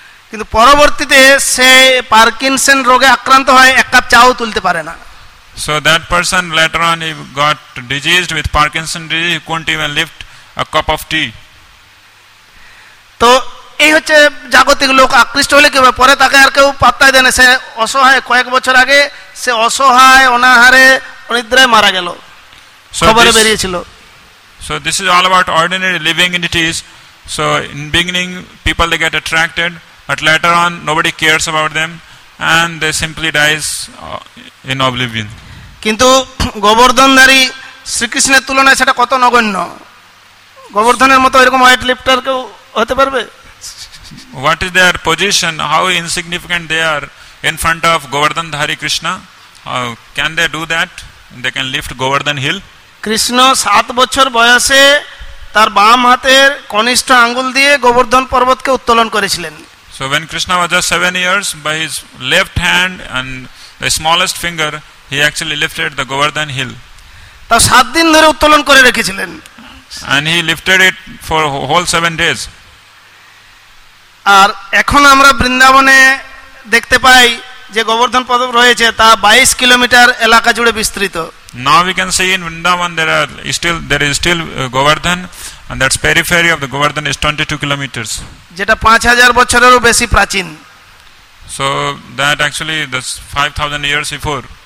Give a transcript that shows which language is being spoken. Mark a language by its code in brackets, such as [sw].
[bn] কিন্তু পরবর্তীতে সে পার্কিনসন রোগে আক্রান্ত হয়, এক কাপ চাও তুলতে পারে না. [en] So that person later on he got diseased with Parkinson's disease, he couldn't even lift a cup of tea. [bn] তো এই হচ্ছে জাগতিক লোক আকৃষ্ট হলে কিভাবে, পরে তাকে আর কেউ পাত্তাই দেয় না, সে অসহায়, কয়েক বছর আগে সে অসহায় অনাহারে অনিদ্রায় মারা গেল, খবরে বেরিয়েছিল. [en] So this is all about ordinary living entities. So in beginning, people, they get attracted, but later on, nobody cares about them, and they simply dies in oblivion. [bn] কিন্তু গোবর্ধনধারী শ্রীকৃষ্ণের তুলনায় সেটা কত নগণ্য, গোবর্ধনের মতো এরকম হোয়াইট লিফটার কেউ হতে পারবে? [en] What is their position? How insignificant they are in front of Govardhan Dhari Krishna? How can they do that? They can lift Govardhan Hill? [bn] Krishna, 7 বছর বয়সে তার বাম হাতের কনিষ্ঠ আঙ্গুল দিয়ে গোবর্ধন পর্বতকে উত্তোলন করেছিলেন। [en] So when Krishna was just 7 years, by his left hand and the smallest finger, he actually lifted the Govardhan Hill. [bn] তার 7 দিন ধরে উত্তোলন করে রেখেছিলেন। [en] And he lifted it for whole 7 days. [bn] আর এখন আমরা বৃন্দাবনে দেখতে পাই যে গোবর্ধন পর্বত রয়েছে তা 22 কিলোমিটার এলাকা জুড়ে বিস্তৃত। [en] Now we can see in Vrindavan there is still Govardhan, and that's periphery of the Govardhan is 22 kilometers. [bn] Jeta 5000 bochhorer o beshi prachin. [en] So that actually that's 5000 years before.